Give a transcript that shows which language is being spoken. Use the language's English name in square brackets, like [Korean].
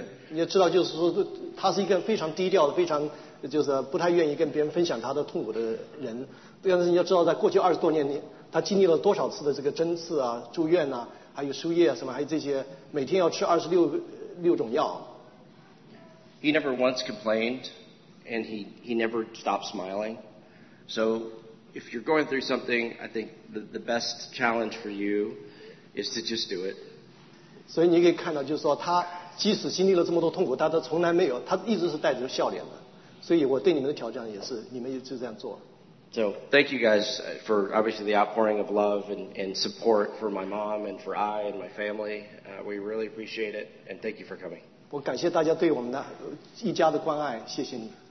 [Chinese] 你也知道就是说他是一个非常低调的非常就是不太愿意跟别人分享他的痛苦的人但是你要知道在过去二十多年他经历了多少次的这个针刺啊住院啊还有输液啊什么还有这些每天要吃26种药 [English] He never once complained and he never stopped smiling so if you're going through something I think the best challenge for you is to just do it [Chinese] 所以你可以看到就是说他即使经历了这么多痛苦他从来没有他一直是带着笑脸的所以我对你们的挑战也是你们就这样做 [English] So thank you guys for obviously the outpouring of love and support for my mom and for I and my family we really appreciate it and thank you for coming [Chinese] 我感谢大家对我们的一家的关爱谢谢你